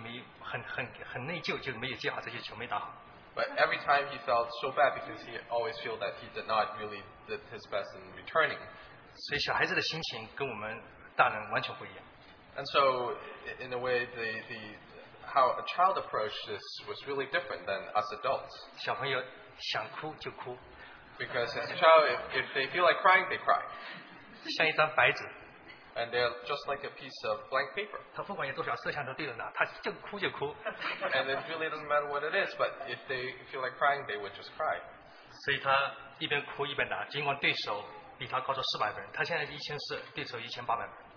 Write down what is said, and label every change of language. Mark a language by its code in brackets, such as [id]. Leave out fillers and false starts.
[zh] 但他说他就是控制不住，他就觉得自己没很内疚，就没有接好这些球，没打好。 [en] But every time he felt so bad because he always felt that he did not really did his best in returning. [zh] 所以小孩子的心情跟我们大人完全不一样。 [en] And so, in a way, the how a child approached this was really different than us adults. [zh] 小朋友想哭就哭。 [en] Because as a child, if they feel like crying, they cry. [zh] 像一张白纸, [en] and they're just like a piece of blank paper. [zh] 他不管有多少摄像头对着他, 他就哭就哭。 [en] And it really doesn't matter what it is, but if they feel like crying, they would just cry. [zh] 所以他一边哭一边打, 尽管对手比他高出 400分, 他现在1400, 对手1800分。